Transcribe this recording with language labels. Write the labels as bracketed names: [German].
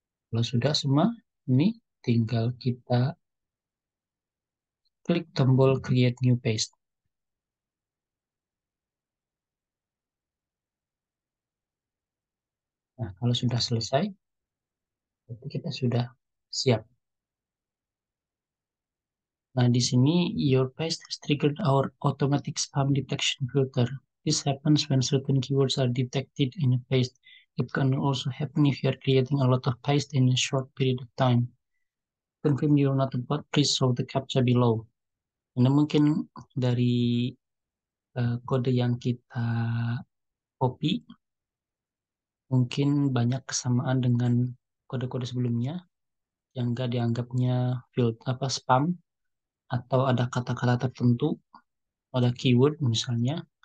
[Indonesian] Kalau sudah semua ini, tinggal kita klik tombol Create New Paste. Nah, kalau sudah selesai, berarti kita sudah siap. Nah, di sini, [English] your paste has triggered our automatic spam detection filter. This happens when certain keywords are detected in a paste. It can also happen if you are creating a lot of paste in a short period of time. Confirm you are not a bot, please show the captcha below. [Indonesian] Ini mungkin dari kode yang kita copy, mungkin banyak kesamaan dengan kode-kode sebelumnya yang gak dianggapnya field apa spam, atau ada kata-kata tertentu, ada keyword misalnya.